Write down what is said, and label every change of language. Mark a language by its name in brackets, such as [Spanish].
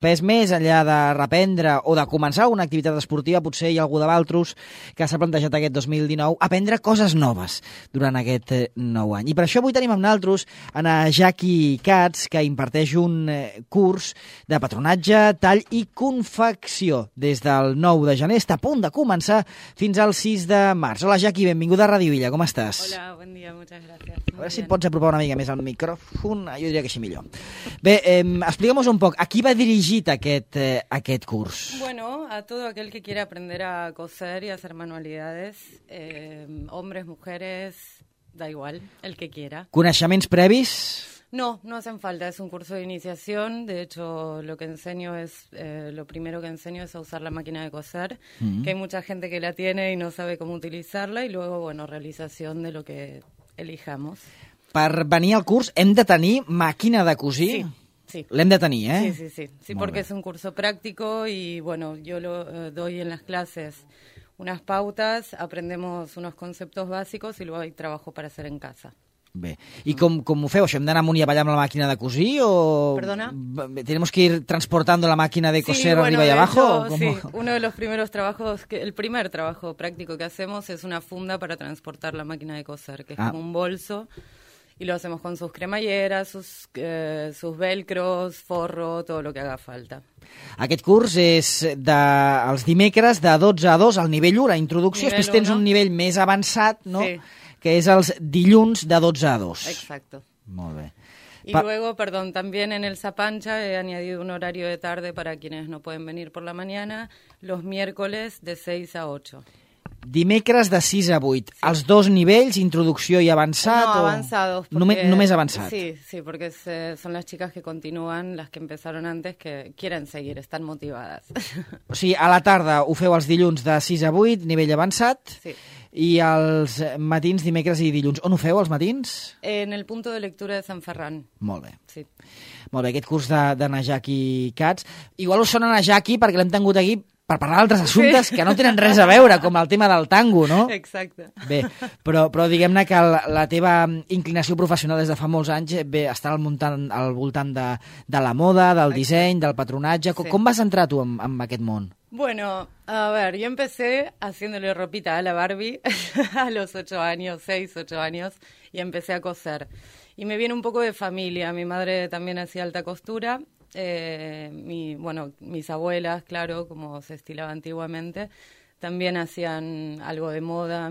[Catalan] pes més enllà de reprendre o de començar una activitat esportiva, potser hi ha algú de Valtros que s'ha plantejat aquest 2019 aprendre coses noves durant aquest nou any. I per això avui tenim amb naltros en a Jackie Katz, que imparteix un curs de patronatge, tall i confecció des del 9 de gener. Està a punt de començar fins al 6 de març. Hola, Jackie, benvinguda a Ràdio Illa. Com estàs? Hola, bon dia, moltes gràcies. A veure si et pots apropar una mica més al micròfon. Jo diria que així millor. Bé, explica'm-nos un poc, a qui va dirigir aquest curs? [Spanish] Bueno, a todo aquel que quiera aprender a coser y hacer manualidades, hombres, mujeres, da igual, el que quiera. [Catalan] ¿Coneixements previs? No, no hacen falta, es un curso de iniciación. De hecho, lo que enseño es, lo primero que enseño es a usar la máquina de coser, que hay mucha gente que la tiene y no sabe cómo utilizarla, y luego, bueno, realización de lo que elijamos. Per venir al curs hem de tenir màquina de cosir? Sí. Sí. L'hem de tenir, eh? Sí, sí, sí. [Spanish] Sí, porque es un curso práctico y, bueno, yo lo doy en las clases unas pautas, aprendemos unos conceptos básicos y luego hay trabajo para hacer en casa. [Catalan] Bé, i com ho feu? Això, hem d'anar amunt i avall amb la màquina de cosir o... Perdona? [Spanish] ¿Tenemos que ir transportando la máquina de coser arriba y abajo? Sí, uno de los primeros trabajos, el primer trabajo práctico que hacemos es una funda para transportar la máquina de coser, que es como un bolso. Y lo hacemos con sus cremalleras, sus velcros, forro, todo lo que haga falta. [Catalan] Aquest curs és dels dimecres de 12 a 2 al nivell 1, a introducció. [Spanish] Nivel [Catalan] després 1. Tens un nivell més avançat, no? Sí. Que és els dilluns de 12 a 2. [Spanish] Exacto. [Catalan] Molt bé. [Spanish] Y luego, perdón, también en el Zapancha he añadido un horario de tarde para quienes no pueden venir por la mañana, los miércoles de 6 a 8. [Catalan] Dimecres de 6 a 8, sí. Els dos nivells, introducció i avançat? No, avançados. Només avançat? [Spanish] Sí, sí, porque son las chicas que continúan, las que empezaron antes, que quieren seguir, están motivadas. [Catalan] O sigui, a la tarda ho feu els dilluns de 6 a 8, nivell avançat, sí. I els matins, dimecres i dilluns. On ho feu, els matins? [Spanish] En el punto de lectura de Sant Ferran. [Catalan] Molt bé. Sí. Molt bé, aquest curs de Najaki Katz. Igual us sona Najaki perquè l'hem tingut aquí per parlar d'altres assumptes, sí, que no tenen res a veure, com el tema del tango, no? Exacte. Bé, però diguem-ne que la teva inclinació professional des de fa molts anys bé, està al voltant de la moda, del exacte, disseny, del patronatge. Sí. Com vas entrar tu en aquest món? [Spanish] Bueno, a ver, yo empecé haciéndole ropita a la Barbie a los 8 años, 6, 8 años, y empecé a coser. Y me viene un poco de familia. Mi madre también hacía alta costura. Mis abuelas, claro, como se estilaba antiguamente, también hacían algo de moda.